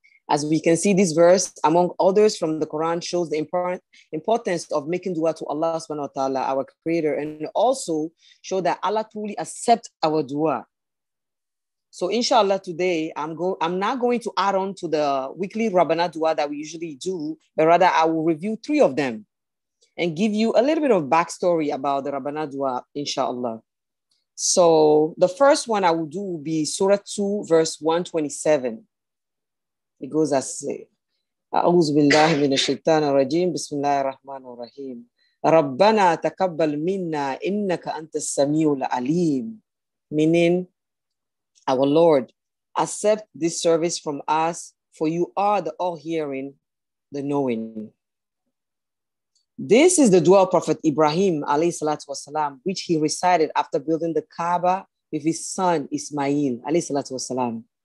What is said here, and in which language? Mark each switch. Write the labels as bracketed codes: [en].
[en] As we can see, this verse, among others from the Quran, shows the importance of making dua to Allah subhanahu wa ta'ala, our creator, and also show that Allah truly accepts our dua. So inshallah, today I'm not going to add on to the weekly Rabbana Dua that we usually do, but rather I will review three of them and give you a little bit of backstory about the Rabbana Dua, inshallah. So the first one I will do will be Surah 2, verse 127. It goes as say, [ar] أعوذ بالله من الشيطان الرجيم بسم الله الرحمن الرحيم ربنا تقبل منا إنك أنت السميع العليم. [en] Meaning, our Lord, accept this service from us, for you are the all-hearing, the knowing. This is the dua of Prophet Ibrahim, alayhi salatu wasalam, which he recited after building the Kaaba with his son Ismail, alayhi salatu wasalam.